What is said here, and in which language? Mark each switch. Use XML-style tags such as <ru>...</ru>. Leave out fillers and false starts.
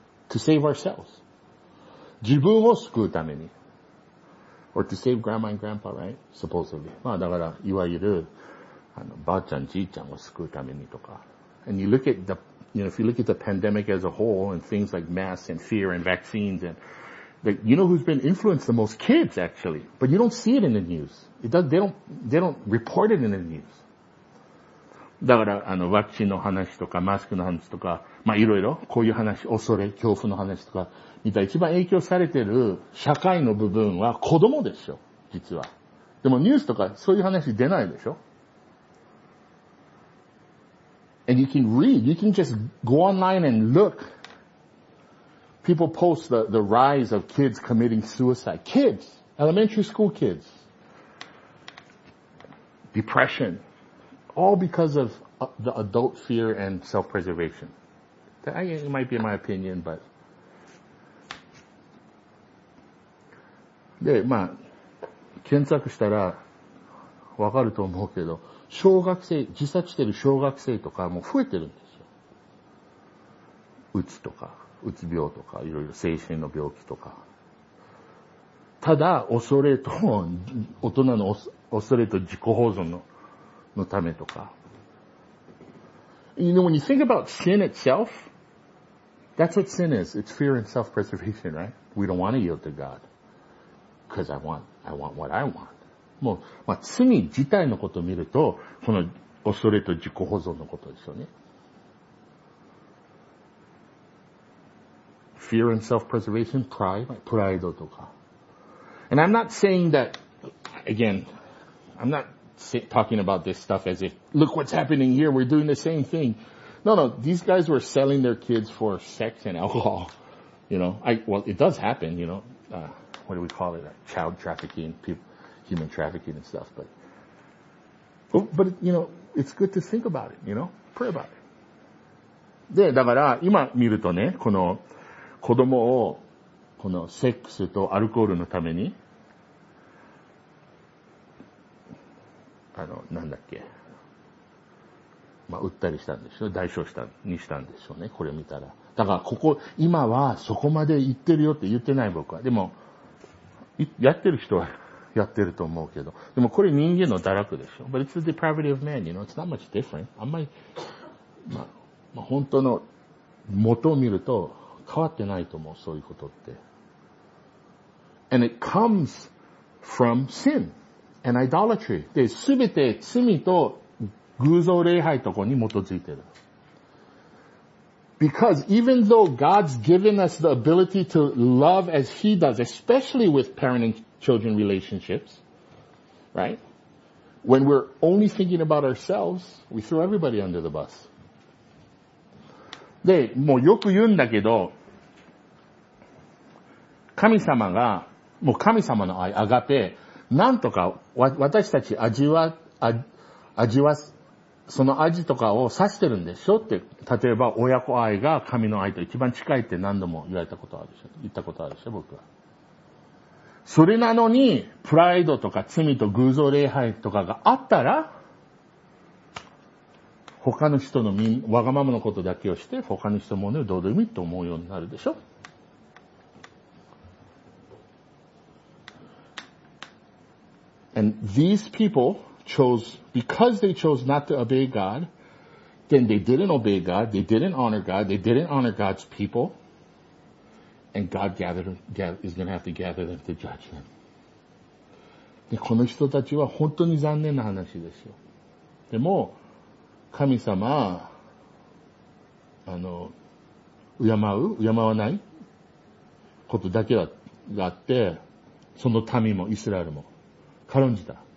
<en>To save ourselves.</en> <ja>自分を救うために。</ja> <en>Or to save grandma and grandpa, right? Supposedly.</en> <ja>まあだから、いわゆる、ばあちゃん、じいちゃんを救うためにとか。</ja> <en>And you look at if you look at the pandemic as a whole and things like masks and fear and vaccines and, you know who's been influenced the most? Kids, actually. But you don't see it in the news. They don't report it in the news.</en> <ja>だから、ワクチンの話とか、マスクの話とか、まあいろいろ、こういう話、恐れ、恐怖の話とか、一番影響されてる社会の部分は子供でしょ、実は。でもニュースとかそういう話出ないでしょ。</ja> <en>And you can read, you can just go online and look. people post the rise of kids committing suicide. Kids, elementary school kids. Depression. All because of the adult fear and self-preservation. It might be my opinion, but.</en> <ja>検索したら、わかると思うけど、小学生、自殺してる小学生とかも増えてるんですよ。うつとか、うつ病とか、いろいろ精神の病気とか。ただ、恐れと、大人の恐れと自己保存のためとか。</ja> <en>You know, when you think about sin itself, that's what sin is. It's fear and self-preservation, right? We don't want to yield to God. Because I want what I want.</en> <ja>もう、まあ、罪自体のことを見ると、この恐れと自己保存のことですよね。</ja> <en>Fear and self-preservation, pride. Pride</en> <ja>とか。</ja> <en>And I'm not saying that, again, I'm not talking about this stuff as if, look what's happening here, we're doing the same thing. No, no, these guys were selling their kids for sex and alcohol. You know, it does happen, you know. What do we call it? Child trafficking, human trafficking and stuff. But, you know, it's good to think about it, you know? Pray about it.</en> <ja>で、だから、今見るとね、この子供を、このセックスとアルコールのために、なんだっけ。まあ、売ったりしたんでしょ。代償したにしたんでしょうね。これ見たら。だから、ここ、今はそこまで行ってるよって言ってない僕は。でも、やってる人はやってると思うけど。でもこれ人間の堕落でしょ。</ja> <en>But it's the depravity of man, you know, it's not much different.</en> <ja>あんまり、まあ、本当の元を見ると変わってないと思う、そういうことって。</ja> <en>And it comes from sin and idolatry.</en> <ja>で、すべて罪と偶像礼拝とこに基づいてる。</ja> <en>Because even though God's given us the ability to love as He does, especially with parent and children relationships, right? When we're only thinking about ourselves, we throw everybody under the bus.</en> <ja>で、もうよく言うんだけど、神様が、もう神様の愛、アガペ、なんとか私たち味わす、その味とかを指してるんでしょって、例えば親子愛が神の愛と一番近いって何度も言われたことあるでしょ、言ったことあるでしょ、僕は。それなのに、プライドとか罪と偶像礼拝とかがあったら、他の人のわがままのことだけをして、他の人もね、どうでもいいと思うようになるでしょ。</ja> <en>And these people,chose, because they chose not to obey God, then they didn't obey God, they didn't honor God, they didn't honor God's people, and God is going to have to gather them to judge them.</en> <ja>で、この人たちは本当に残念な話ですよ。でも、神様、敬わないことだけがあって、その民もイスラエルも軽んじた。</ja>